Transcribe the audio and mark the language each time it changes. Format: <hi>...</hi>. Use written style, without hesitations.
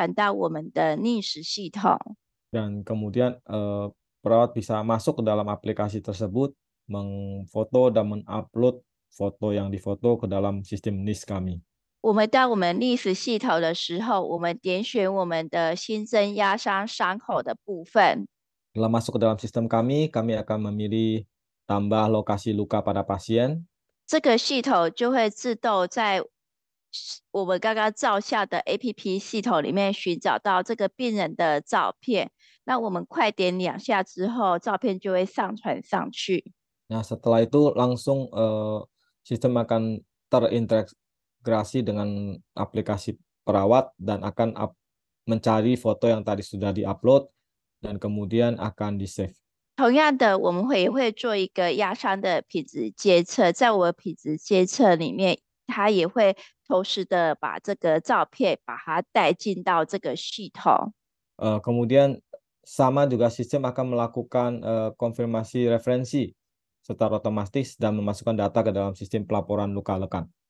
<zh>那护理人员去点选他的部位，然后他执行拍照之后，就把这个照片传到我们的NIS系统。</zh> <id>Dan kemudian perawat bisa masuk ke dalam aplikasi tersebut, memfoto dan mengupload foto yang difoto ke dalam sistem NIS kami.</id> <zh>我们到我们NIS系统的时候，我们点选我们的新增压伤伤口的部分。</zh> <id>Setelah masuk ke dalam sistem kami akan memilih tambah lokasi luka pada pasien.</id> <zh>这个系统就会自动在我们刚刚照下的 APP 系统里面寻找到这个病人的照片，那我们快点两下之后，照片就会上传上去。</zh> <id>Nah, setelah itu langsung sistem akan terintegrasi dengan aplikasi perawat dan akan mencari foto yang tadi sudah diupload dan kemudian akan di-save.</id> <zh>同样的，我们也会做一个压伤的品质监测，在我们品质监测里面，它也会同时的把这个照片把它带进到这个系统。</zh> <id>Kemudian sama juga sistem akan melakukan konfirmasi referensi secara otomatis dan memasukkan data ke dalam sistem pelaporan luka lekan.</id>